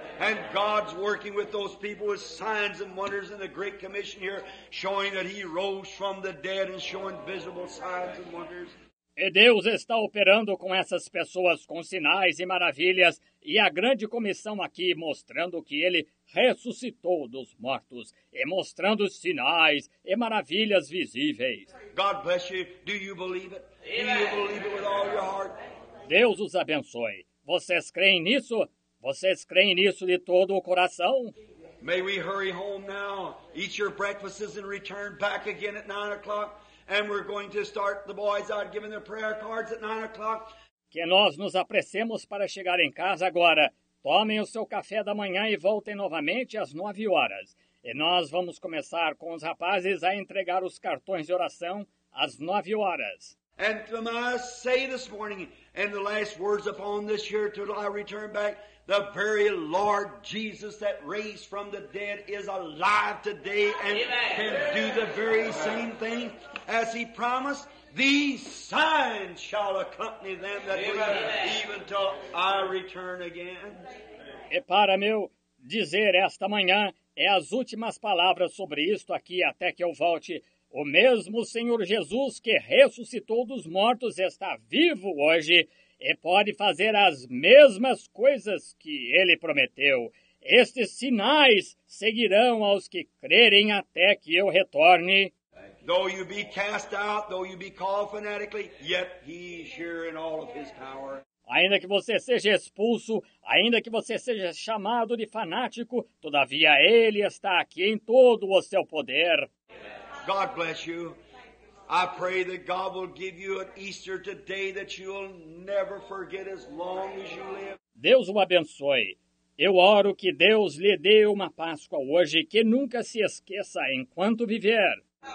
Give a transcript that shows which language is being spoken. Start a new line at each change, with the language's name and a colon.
English: And God's working with those people with signs and wonders in the Great Commission here, showing that he rose from the dead and showing visible signs and wonders.
Portuguese: E Deus está operando com essas pessoas com sinais e maravilhas e a grande comissão aqui mostrando que ele ressuscitou dos mortos e mostrando sinais e maravilhas visíveis.
English: God bless you. Do you believe it? Amen. Do you believe it with all your heart?
Portuguese: Deus os abençoe. Vocês creem nisso? Vocês creem nisso de todo o coração?
English: May we hurry home now, eat your breakfasts and return back again at 9 o'clock. And we're going to start the boys out giving their prayer cards at 9 o'clock.
Portuguese: Que nós nos apressemos para chegar em casa agora. Tomem o seu café da manhã e voltem novamente às 9 horas. E nós vamos começar com os rapazes a entregar os cartões de oração às 9 horas.
English: And I must say this morning, and the last words upon this year till I return back, the very Lord Jesus that raised from the dead is alive today and can do the very same thing as he promised. These signs shall accompany them that believe, even till I return again.
Portuguese: E para meu dizer esta manhã, é as últimas palavras sobre isto aqui até que eu volte. O mesmo Senhor Jesus que ressuscitou dos mortos está vivo hoje e pode fazer as mesmas coisas que ele prometeu. Estes sinais seguirão aos que crerem até que eu retorne.
English: Though you be cast out, though you be called fanatically, yet he is here in all of his power.
Portuguese: Ainda que você seja expulso, ainda que você seja chamado de fanático, todavia ele está aqui em todo o seu poder.
English: God bless you. I pray that God will give you an Easter today that you will never forget as long as you live.
Portuguese: Deus o abençoe. Eu oro que Deus lhe dê uma Páscoa hoje que nunca se esqueça enquanto viver.